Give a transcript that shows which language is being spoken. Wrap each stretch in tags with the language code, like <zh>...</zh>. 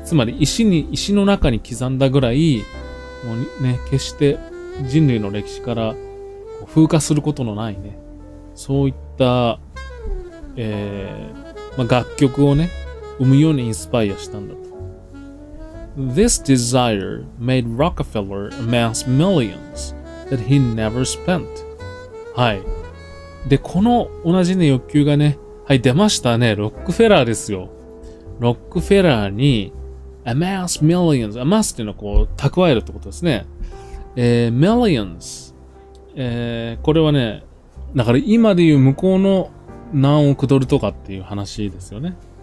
<ja>つまり石の中に刻んだぐらい、もうね、決して人類の歴史から風化することのないね。そういった、まあ、楽曲をね、生むようにインスパイアしたんだと。</ja> <en>This desire made Rockefeller amass millions that he never spent.</en> <ja>はい。で、この同じね、欲求がね、はい、出ましたね。ロックフェラーですよ。ロックフェラーに</ja> <en>amass millions。</en> <ja>amass っていうのはこう、蓄えるってことですね。</ja> <en>millions。</en> <ja>これはね、だから今で言う向こうの何億ドルとかっていう話ですよね。</ja>